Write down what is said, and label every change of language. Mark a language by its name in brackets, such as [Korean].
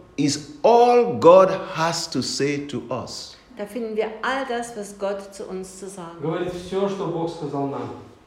[English] is all God has to say to us. [German] Da finden wir all das, was Gott zu uns zu sagen. [Russian] Говорит все, что Бог сказал нам.